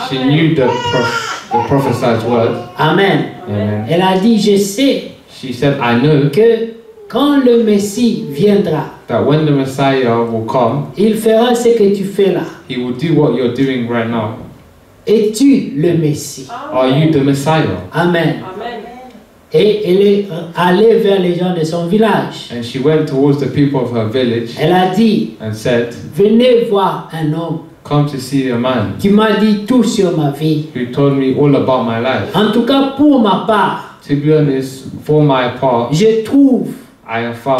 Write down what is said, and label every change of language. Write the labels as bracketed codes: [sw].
[en] She knew the prophesied word. Amen. Amen. [fr] Elle a dit, je sais. [en] She said, I know. [fr] Que quand le Messie viendra. [en] That when the Messiah will come. [fr] Il fera ce que tu fais là. [en] He will do what you're doing right now. [fr] Es-tu le Messie? Amen. [en] Are you the Messiah? Amen. Amen. [fr] Et elle est allée vers les gens de son village. [en] And she went towards the people of her village. [fr] Elle a dit. [en] And said. [fr] Venez voir un homme. [en] Come to see a man. [fr] Qui m'a dit tout sur ma vie. [en] Who told me all about my life. [fr] En tout cas pour ma part. [en] To be honest, for my part. [fr] Je trouve. [en] I have found.